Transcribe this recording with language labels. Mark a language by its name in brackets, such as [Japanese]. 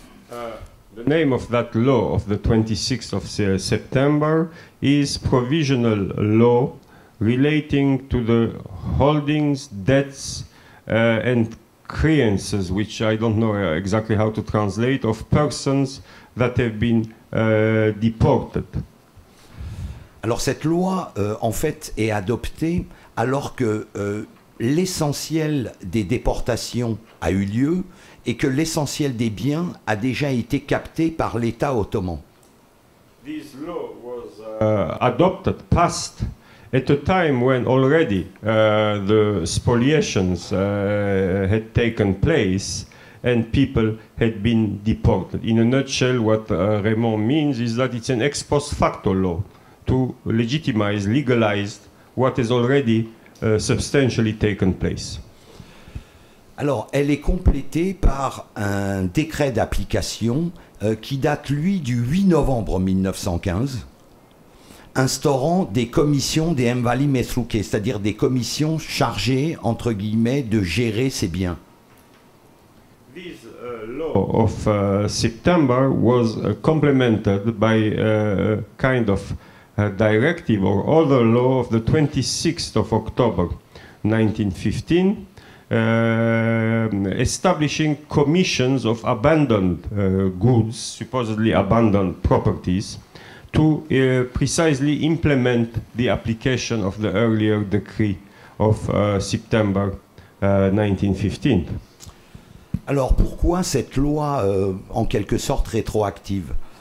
[English] The name of that law of the 26th of September is Provisional Law relating to the holdings, debts, and creances, which I don't know exactly how to translate, of persons that have been deported. [French] Alors cette loi, en fait, est adoptée alors que l'essentiel des déportations a eu lieu et que l'essentiel des biens a déjà été capté par l'État ottoman. [English] This law was adopted, passed, at a time when already the spoliations had taken place and people had been deported. In a nutshell, what Raymond means is that it's an ex post facto law to legitimize, legalize what has already substantially taken place. [French] Alors, elle est complétée par un décret d'application qui date, lui, du 8 novembre 1915. Instaurant des commissions des Mvali Metruke, c'est-à-dire des commissions chargées, entre guillemets, de gérer ces biens. [English] This law of September was complemented by a kind of a directive or other law of the 26th of October 1915, establishing commissions of abandoned goods, supposedly abandoned properties, to precisely implement the application of the earlier decree of September 1915. [French] Alors pourquoi cette loi en quelque sorte rétroactive?